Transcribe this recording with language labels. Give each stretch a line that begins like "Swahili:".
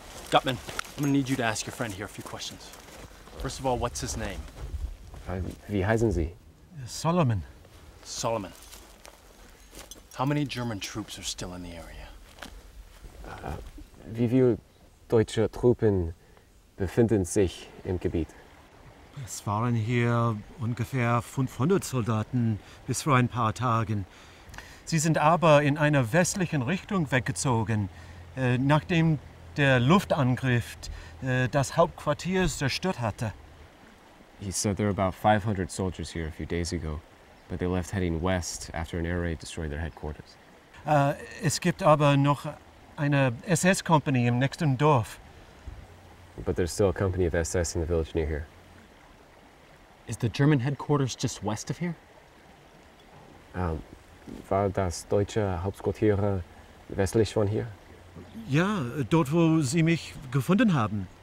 English: Gutman, I'm gonna need you to ask your friend here a few questions. First of all, what's his name?
German: Wie heißen Sie? Solomon. Solomon.
English: How many German troops are still in the area?
German: Wie viele deutsche Truppen befinden sich im Gebiet? Es waren hier ungefähr 500 Soldaten bis vor ein paar Tagen. Sie sind aber in einer westlichen Richtung weggezogen, nachdem der Luftangriff das Hauptquartier zerstört hatte.
English: He said there were about 500 soldiers here a few days ago, but they left heading west after an air raid destroyed their headquarters.
German: Es gibt aber noch eine SS-Kompanie im nächsten Dorf.
English: But there's still a company of SS in the village near here. Is the German headquarters just west of here?
German: War das deutsche Hauptquartier westlich von hier? Ja, dort wo sie mich gefunden haben.